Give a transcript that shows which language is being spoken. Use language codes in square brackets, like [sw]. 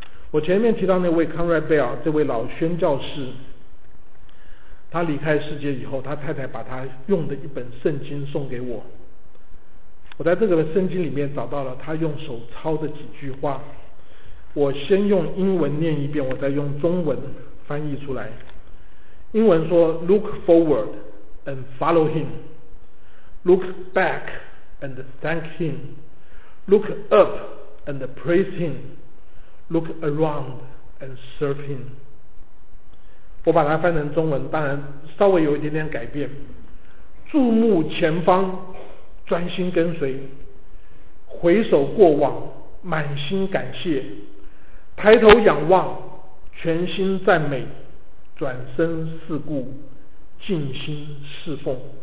[zh] 我前面提到那位康瑞贝尔，这位老宣教士，他离开世界以后，他太太把他用的一本圣经送给我。我在这个圣经里面找到了他用手抄的几句话，我先用英文念一遍，我再用中文翻译出来。英文说 [en] Look forward and follow him, Look back and thank him, Look up and praise him, Look around and serve him。 [zh] 我把它翻成中文，当然稍微有一点点改变。注目前方，专心跟随，回首过往，满心感谢，抬头仰望，全心赞美，转身四顾，尽心侍奉。